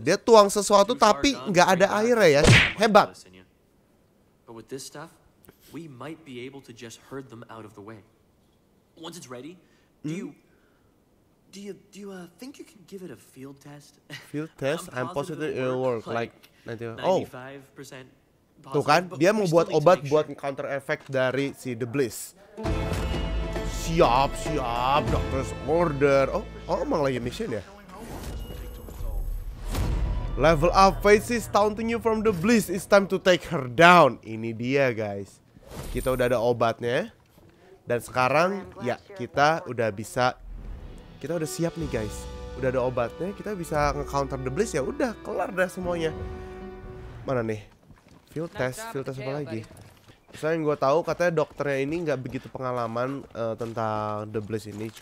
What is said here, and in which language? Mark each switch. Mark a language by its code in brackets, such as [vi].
[id] Dia tuang sesuatu tapi gak ada airnya ya. Hebat. [en] But with this stuff, we might be able to just herd them out of the way. Once it's ready, do you think you can give it a field test? Field test? I'm positive it'll work. Like 95%. Oh. [id] Tuh kan, dia mau buat obat buat counter effect dari si The Bliss. Siap, siap, [en] doctor's order. [id] Oh, emang lagi mission ya? [en] Level up faces taunting you from the bliss. It's time to take her down. [id] Ini dia guys. Kita udah ada obatnya. Dan sekarang ya kita udah bisa. Kita udah siap nih guys. Udah ada obatnya. Kita bisa nge-counter the bliss ya. Udah kelar dah semuanya. Mana nih? Field test apa lagi? Soalnya yang gue tahu katanya dokternya ini gak begitu pengalaman tentang the bliss ini.